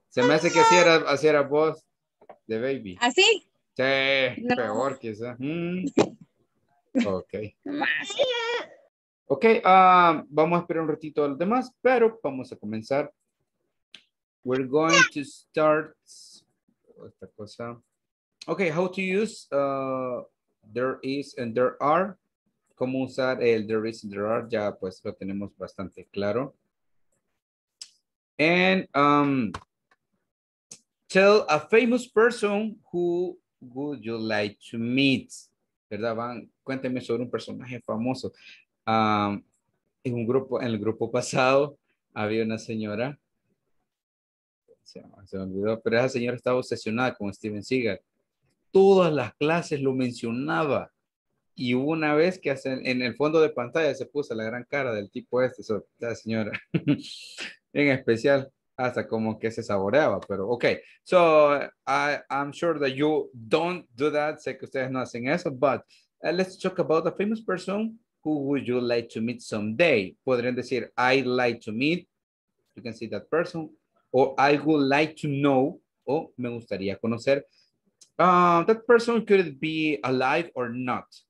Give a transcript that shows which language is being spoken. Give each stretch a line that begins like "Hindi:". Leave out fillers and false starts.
Spanish: Se me hace que así era voz de baby. ¿Así? Sí, no. Peor quizá. Okay. Okay, vamos a esperar un ratito a los demás, pero vamos a comenzar.
English: We're going to start
Spanish: esta cosa.
English: Okay, how to use there is and there are.
Spanish: ¿Cómo usar el
English: there is and there are?
Spanish: Ya pues lo tenemos bastante claro.
English: And tell a famous person who would you like to meet.
Spanish: ¿Verdad, Van? Cuénteme sobre un personaje famoso. En el grupo pasado había una señora. Se me olvidó, pero esa señora estaba obsesionada con Steven Seagal. Todas las clases lo mencionaba. Y hubo una vez que en el fondo de pantalla se puso la gran cara del tipo este, esa señora. En especial, hasta como que se saboreaba, pero ok.
English: So, I'm sure that you don't do that.
Spanish: Sé que ustedes no hacen eso,
English: but let's talk about a famous person who would you like to meet someday.
Spanish: Podrían decir,
English: I'd like to meet. You can see that person. Or I would like to know,
Spanish: o me gustaría conocer,
English: that person could be alive or not.